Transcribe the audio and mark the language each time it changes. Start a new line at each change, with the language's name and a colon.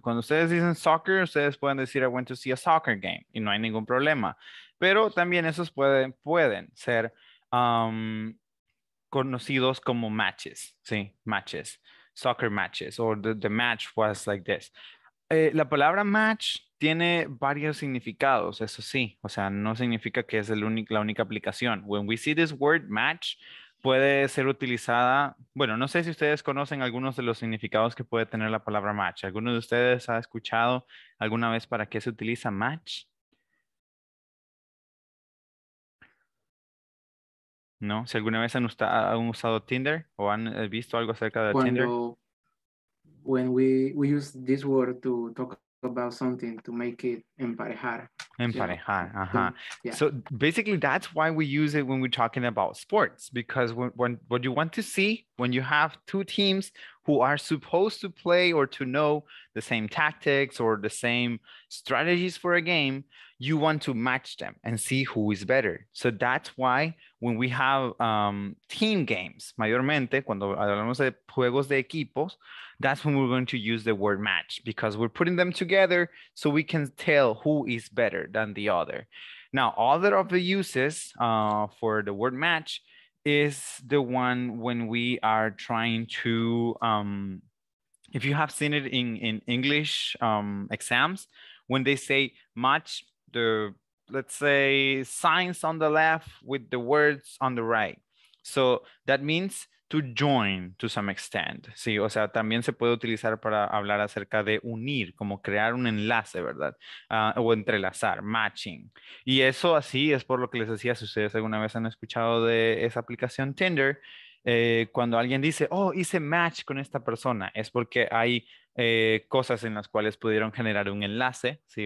Spanish: Cuando ustedes dicen soccer, ustedes pueden decir
English: I went to see a soccer game
Spanish: y no hay ningún problema. Pero también esos pueden ser conocidos como matches, ¿sí?
English: Matches, soccer matches, or the match was like this.
Spanish: La palabra match tiene varios significados, eso sí. O sea, no significa que es la única aplicación.
English: When we see this word match,
Spanish: puede ser utilizada, bueno, no sé si ustedes conocen algunos de los significados que puede tener la palabra match. ¿Alguno de ustedes ha escuchado alguna vez para qué se utiliza match? ¿No? Si alguna vez han usado Tinder o han visto algo acerca de Tinder.
English: When we use this word to talk about something, to make it emparejar. Emparejar, yeah. Uh-huh. Yeah. So basically that's why we use it when we're talking about sports. Because when what you want to see when you have two teams who are supposed to play or to know the same tactics or the same strategies for a game, you want to match them and see who is better. So that's why when we have team games,
Spanish: mayormente, cuando hablamos de juegos de equipos,
English: that's when we're going to use the word match, because we're putting them together so we can tell who is better than the other. Now, other of the uses for the word match is the one when we are trying to, if you have seen it in English exams, when they say match the, let's say, signs on the left with the words on the right. So that means to join to some extent.
Spanish: Sí, o sea, también se puede utilizar para hablar acerca de unir, como crear un enlace, ¿verdad? O entrelazar, matching. Y eso así es por lo que les decía, si ustedes alguna vez han escuchado de esa aplicación Tinder, cuando alguien dice, oh, hice match con esta persona, es porque hay cosas en las cuales pudieron generar un enlace, ¿sí?